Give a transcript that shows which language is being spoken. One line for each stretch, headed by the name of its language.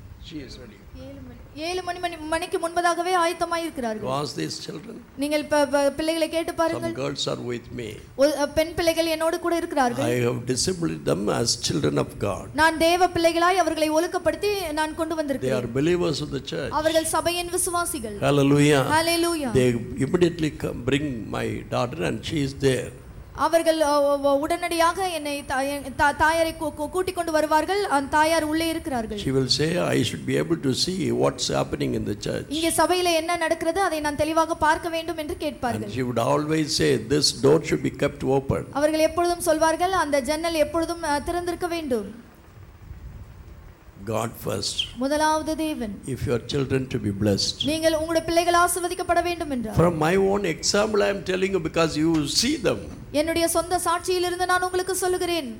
English: She is ready.
Tamil: 7 மணிக்கு முன்பதாகவே ஆயத்தமாய் இருக்கிறார்கள்.
English: Was these children?
Tamil: நீங்கள் பிள்ளைகளை கேட்டு பாருங்கள்.
English: Some girls are with me.
Tamil: பெண் பிள்ளைகள் என்னோடு கூட இருக்கிறார்கள்.
English: I have disciplined them as children of God.
Tamil: நான் தேவ பிள்ளைகளாய் அவர்களை ஒழுக்கப்படுத்தி நான் கொண்டு வந்திருக்கிறேன்.
English: They are believers of the church.
Tamil: அவர்கள் சபையின் விசுவாசிகள்.
English: Hallelujah. Hallelujah. They immediately come bring my daughter and she is there.
Tamil: அவர்கள் உடனடியாக என்னை தாயாரை கூட்டிக் கொண்டு வருவார்கள். அந்த தாயார் உள்ளே இருக்கிறார்கள்.
English: She will say I should be able to see what's happening in the church.
Tamil: இங்கே சபையில் என்ன நடக்கிறது அதை நான் தெளிவாக பார்க்க வேண்டும் என்று கேட்பார்கள்.
English: And she would always say this door should be kept open.
Tamil: அவர்கள் எப்பொழுதும் சொல்வார்கள், அந்த ஜன்னல் எப்பொழுதும் திறந்திருக்க வேண்டும்.
English: God first.
Tamil: முதலாவது தேவன்.
English: If your children to be blessed.
Tamil: நீங்கள் உங்கள் பிள்ளைகள் ஆசீர்வதிக்கப்பட வேண்டும் என்றால்.
English: From my own example I am telling you because you see them.
Tamil: என்னுடைய சொந்த சாட்சியிலிருந்து நான் உங்களுக்கு சொல்கிறேன்.